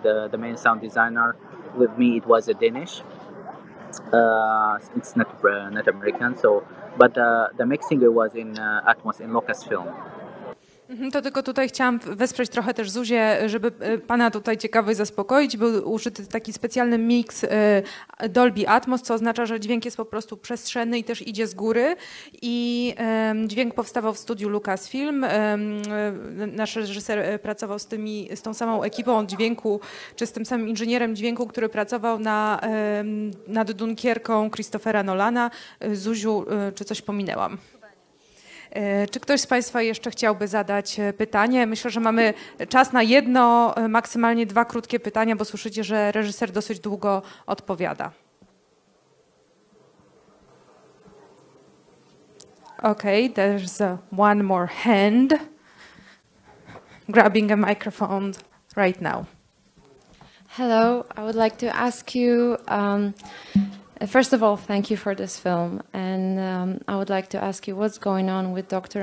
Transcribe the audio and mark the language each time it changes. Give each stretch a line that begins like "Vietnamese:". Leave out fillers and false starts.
English: The main sound designer with me, it was a Danish. It's not American, so but the mixing it was in Atmos in Lucasfilm.
Polish: To tylko tutaj chciałam wesprzeć trochę też Zuzię, żeby pana tutaj ciekawość zaspokoić. Był użyty taki specjalny miks Dolby Atmos, co oznacza, że dźwięk jest po prostu przestrzenny i też idzie z góry. I dźwięk powstawał w studiu Lucasfilm. Nasz reżyser pracował z tą samą ekipą dźwięku, czy z tym samym inżynierem dźwięku, który pracował nad Dunkierką Christophera Nolana. Zuziu, czy coś pominęłam? Czy ktoś z Państwa jeszcze chciałby zadać pytanie? Myślę, że mamy czas na jedno, maksymalnie dwa krótkie pytania, bo słyszycie, że reżyser dosyć długo odpowiada.
English: Okay, there's one more hand grabbing a microphone right now. Hello, I would like to ask you, first of all, thank you for this film, and I would like to ask you what's going on with Dr.